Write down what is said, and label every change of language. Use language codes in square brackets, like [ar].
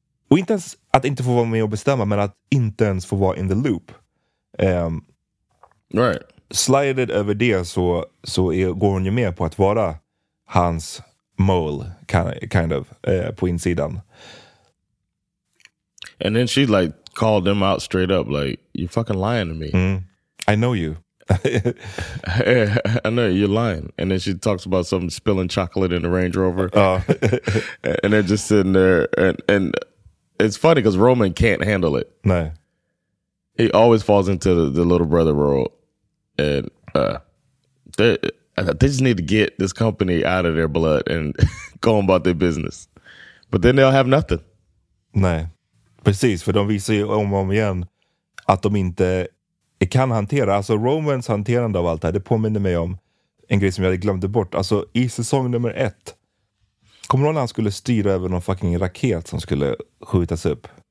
[sv] Och inte ens att inte få vara med och bestämma, men att inte ens få vara [en] in the loop. Right. [sv] Slided över det så går hon ju med på att vara hans mole, [en] kind of, [sv] på insidan. [en] And then she like called them out straight up, like, you're fucking lying to me. I know you. I know you're lying. And then she talks about some spilling chocolate in the Range Rover. And they're just sitting there. And it's funny because Roman can't handle it. No. He always falls into the little brother role. And they just need to get this company out of their blood and go about their business. But then they'll have nothing. [sv] Nej, precis. För de visar ju om och om igen att de inte kan hantera. Alltså Romans hanterande av allt det här, det påminner mig om en grej som jag glömde bort. Alltså i säsong nummer 1, kommer någon han skulle styra över någon fucking raket som skulle skjutas upp?